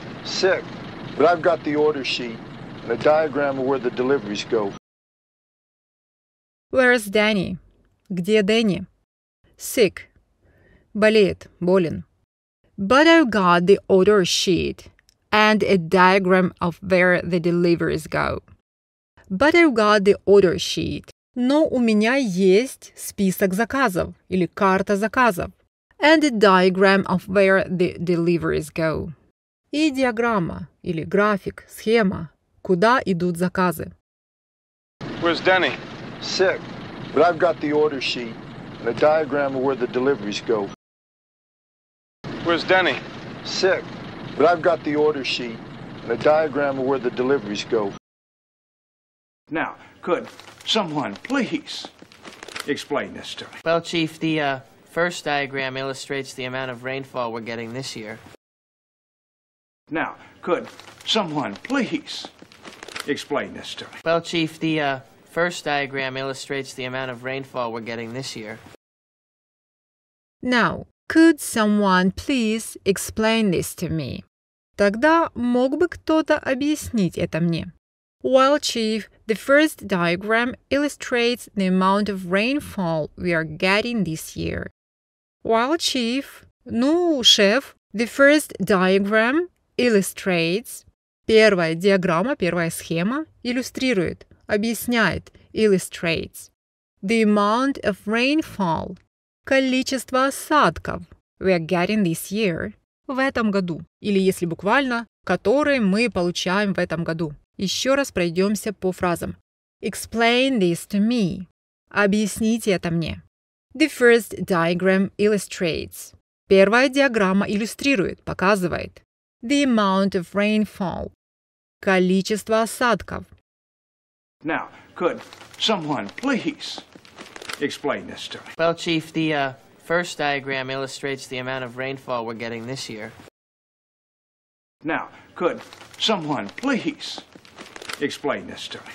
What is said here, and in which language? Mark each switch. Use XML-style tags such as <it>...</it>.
<en>Sick, but I've got the order sheet and a diagram of where the deliveries go. Where's Danny?</en> <ru>Где Дэнни? Sick. Болеет. Болен.</ru> <en>But I've got the order sheet and a diagram of where the deliveries go. But I've got the order sheet.</en> <ru>Но у меня есть список заказов или карта заказов.</ru> <en>And a diagram of where the deliveries go.</en> <ru>И диаграмма или график, схема, куда идут заказы.</ru> <en>Where's Danny? Sick, but I've got the order sheet and a diagram of where the deliveries go. Where's Denny? Sick, but I've got the order sheet and a diagram of where the deliveries go. Now, could someone please explain this to me? Well, Chief, the first diagram illustrates the amount of rainfall we're getting this year. Now, could someone please explain this to me? Well, Chief, the first diagram illustrates the amount of rainfall we're getting this year. Now, could someone please explain this to me?</en> <ru>Тогда мог бы кто-то объяснить это мне?</ru> <en>Well, Chief, the first diagram illustrates the amount of rainfall we are getting this year. Well, Chief,</en> <ru>ну, шеф,</ru> <en>the first diagram illustrates.</en> <ru>Первая диаграмма, первая схема иллюстрирует. Объясняет, illustrates,</ru> <en>the amount of rainfall,</en> <ru>количество осадков</ru> <en>we are getting this year,</en> <ru>в этом году, или если буквально, которые мы получаем в этом году. Еще раз пройдемся по фразам.</ru> <en>Explain this to me.</en> <ru>Объясните это мне.</ru> <en>The first diagram illustrates.</en> <ru>Первая диаграмма иллюстрирует, показывает.</ru> <en>The amount of rainfall,</en> <ru>количество осадков.</ru> <en>Now, could someone please explain this to me? Well, Chief, the first diagram illustrates the amount of rainfall we're getting this year. Now, could someone please explain this to me?</en>